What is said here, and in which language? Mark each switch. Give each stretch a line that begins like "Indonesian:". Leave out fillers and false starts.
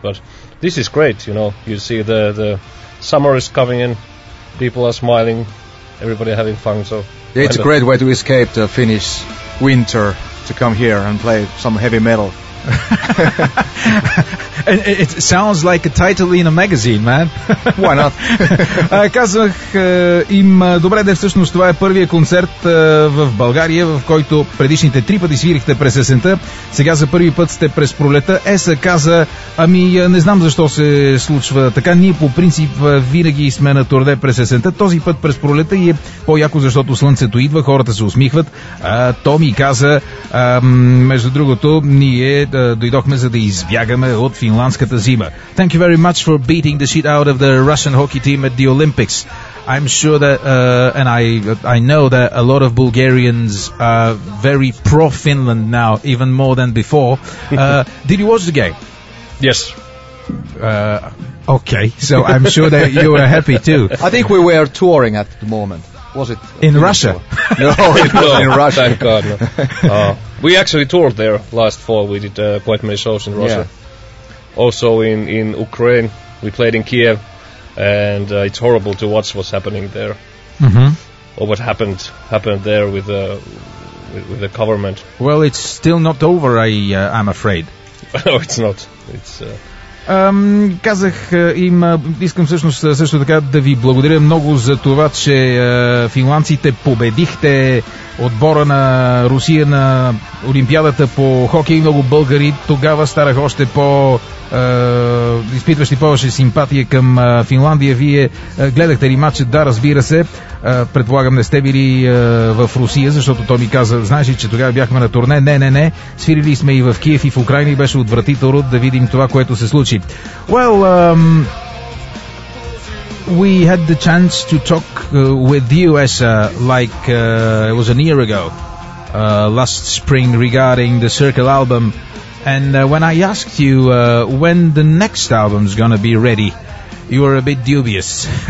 English: But this is great, you know. You see the summer is coming in, people are smiling, everybody having fun, so... Yeah, it's a great way to escape the Finnish winter, to come here and play some heavy metal. It sounds like a title in a magazine, man. Why not?
Bulgarian: Казах им, добре де, всъщност това е първият концерт в България, в който предишните три пъти свирихте през есента. Сега за първи път сте през пролета. Еса каза, не знам защо се случва така. Ние по принцип винаги сме на турне през есента. Този път през пролета и е по-яко, защото слънцето идва, хората се усмихват. Томи каза, между другото, ние дойдохме за да избягаме от финландската зима.
English: Thank you very much for beating the shit out of the Russian hockey team at the Olympics. I'm sure that and I know that a lot of Bulgarians are very pro Finland now, even more than before. Did you watch the game? Yes. Okay. So I'm sure that you were happy too. I think we were touring at the moment. Was it in Russia? No, in Russia. Thank God. We actually toured there last fall. We did quite many shows in Russia. Yeah. Also in Ukraine, we played in Kiev, and it's horrible to watch what's happening there, or what happened there with the government. Well, it's still not over, I'm afraid. No, it's not. It's.
Bulgarian: Казах им, искам всъщност също така да ви благодаря много за това, че финландците победихте отбора на Русия на Олимпиадата по хокей. Много българи тогава старах още по изпитващи повече симпатия към Финландия. Вие гледахте ли матча? Да, разбира се. Предполагам, не сте били в Русия, защото той ми каза, знаеш ли, че тогава бяхме на турне? Не. Свирили сме и в Киев, и в Украина, и беше отвратително да видим това, което се случи.
English: Well, we had the chance to talk with you, Esa, like it was a year ago, last spring, regarding the Circle album. And when I asked you when the next album's gonna be ready, you were a bit dubious.